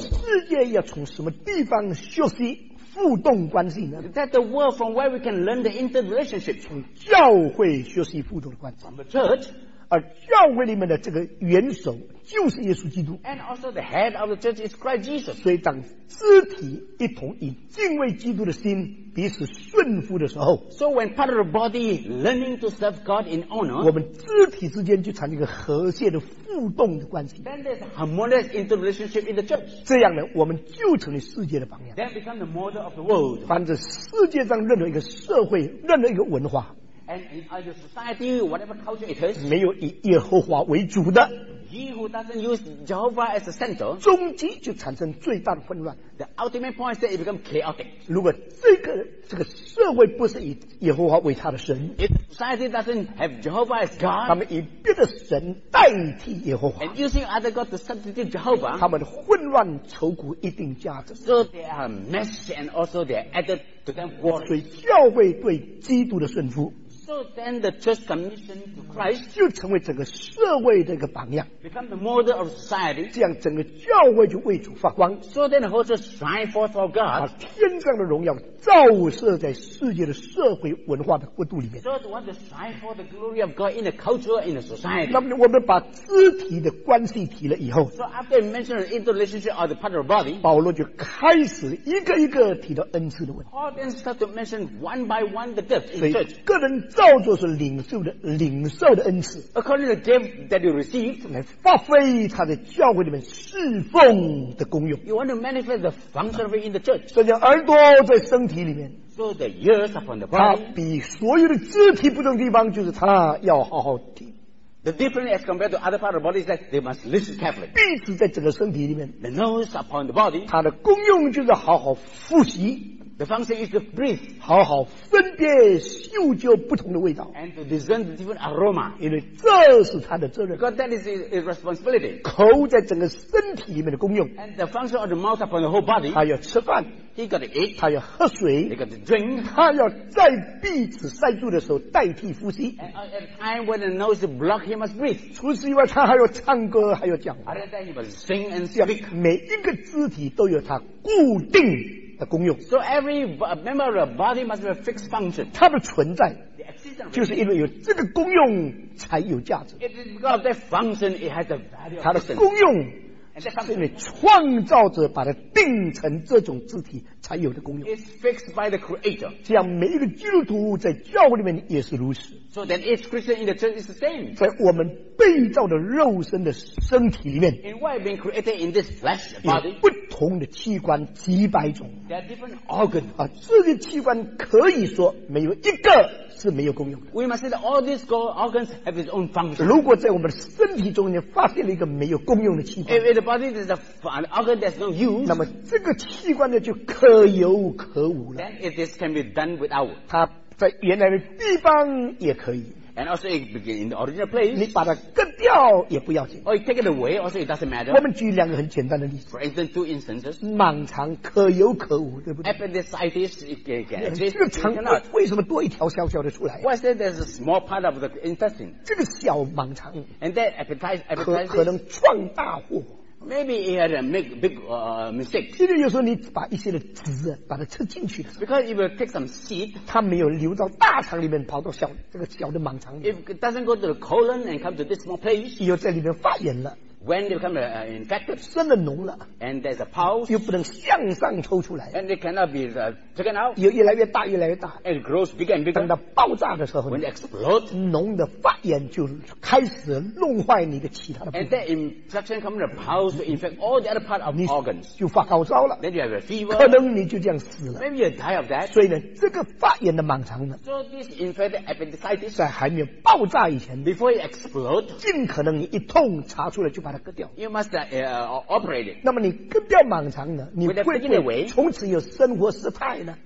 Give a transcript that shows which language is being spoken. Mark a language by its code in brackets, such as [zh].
[zh] 世界要从什么地方学习互动关系呢 [en] ？That the world from where we can learn the interrelationship？ [zh] 从教会学习互动的关系。 [en] From the church。 [zh] 而教会里面的这个元首就是耶稣基督 [en] and also the head of the church is Christ Jesus [zh] 所以当肢体一同以敬畏基督的心彼此顺服的时候 [en] so when part of the body learning to serve God in honor [zh] 我们肢体之间就产生一个和谐的互动的关系 [en] then there's a harmonious interrelationship in the church [zh] 这样呢我们就成了世界的榜样 [en] then become the model of the world [zh] 反正世界上任何一个社会任何一个文化 [en] And in either society, whatever culture it is, [zh] 没有以耶和华为主的 [en] he who doesn't use Jehovah as a center, [zh] 终极就产生最大的混乱 [en] the ultimate point is that it becomes chaotic. [zh] 如果这个社会不是以耶和华为他的神 [en] if society doesn't have Jehovah as God, [zh] 他们以别的神代替耶和华 [en] and using other God to substitute Jehovah, [zh] 他们混乱愁苦一定加增 [en] so they are messy and also they are added to them worry. [zh] 所以教会对基督的顺服 [en] So then the church commission to Christ [zh] 就成为整个社会的一个榜样 [en] become the model of society [zh] 这样整个教会就为主发光 [en] So then the whole church shine forth for God [zh] 把天上的荣耀照射在世界的社会文化的国度里面 [en] So the one to shine forth the glory of God in the culture in the society [zh] 那么我们把肢体的关系提了以后 [en] So after you mention the interrelationship of the part of the body [zh] 保罗就开始一个一个提到恩赐的问题 [en] Paul then start to mention one by one the gift in the church [zh] 个人照做是领受的恩赐 [en] according to the gift that you received [zh] 来发挥他在教会里面侍奉的功用 [en] you want to manifest the function of it in the church [zh] 所以叫耳朵在身体里面 [en] so the ears upon the body [zh] 他比所有的肢体不同地方就是他要好好听 [en] the difference as compared to other part of the body is that they must listen carefully [zh] 彼此在整个身体里面 [en] the nose upon the body [zh] 他的功用就是好好复习 [en] The function is to breathe. [zh] 好好分别嗅觉不同的味道 [en] And to discern the different aroma. [zh] 因为这是他的责任 [en] Because that is his responsibility. [zh] 口在整个身体里面的功用 [en] And the function of the mouth upon the whole body. [zh] 他要吃饭 [en] He got to eat. [zh] 他要喝水 [en] He got to drink. [zh] 他要在鼻子塞住的时候代替呼吸 [en] And at a time when the nose block, he must breathe. [zh] 除此以外他还要唱歌还要讲话 [en] Other than he must sing and speak. [zh] 每一个肢体都有他固定功用 [en] so every member of the body must have a fixed function [zh] 它的存在就是因为有这个功用才有价值 [en] it is because of that function it has a value [zh] 它的功用是因为创造者把它定成这种肢体才有的功用。 [en] It's fixed by the Creator. [zh] 这样每一个基督徒在教会里面也是如此。 [en] So then each Christian in the church is the same. [zh] 在我们被造的肉身的身体里面 [en] ，And why being created in this flesh body? [zh] 有不同的器官几百种。 [en] There are different organs. [zh] 啊，这个器官可以说没有一个是没有功用的。 [en] We must say that all these organs have its own function. [zh] 如果在我们的身体中间发现了一个没有功用的器官 [en] ，If the body is an organ that's no use, [zh] 那么这个器官呢就可有可无了。 [en] Then if this can be done without, [zh] 它在原来的地方也可以。 [en] And also it begins in the original place. [zh] 你把它割掉也不要紧。 [en] Or you take it away, also it doesn't matter. [zh] 我们举两个很简单的例子。 [en] For instance, two instances. [zh] 盲肠可有可无，对不对 [en] ？Appendicitis, it can. [zh] 这个肠为什么多一条小小的出来 [en] ？Why is there a small part of the intestine? [zh] 这个小盲肠。 [en] And that appendicitis [zh] 可能撞大祸。 [en] Maybe it had a big mistake. [zh] 因为有时候你把一些的籽把它吃进去的。 [en] Because it will take some seed. [zh] 它没有流到大肠里面，跑到小这个小的盲肠里面。 [en] If it doesn't go to the colon and come to this small place. [zh] 又在里面发炎了。 [en] When they become infected, [zh] 生了脓了。 [en] And there's a pulse. [zh] 又不能向上抽出来。 [en] And it cannot be taken out. [zh] 又越来越大，越来越大。 [en] And it grows bigger and bigger. [zh] 等到爆炸的时候 [en] ，When it explodes, [zh] 脓的发炎就开始弄坏你的其他的部分。 [en] And that infection comes from the pulse to infect all the other part of organs. [zh] 就发高烧了。 [en] Then you have a fever. [zh] 可能你就这样死了。 [en] Maybe you die of that. [zh] 所以呢，这个发炎的盲肠呢 [en] ，So this infected appendicitis [zh] 在还没有爆炸以前 [en] ，Before it explodes, [zh] 尽可能你一痛查出来就把。 [en] You must operate it. [zh] 那么你割掉盲肠呢？你会不会从此有生活失态呢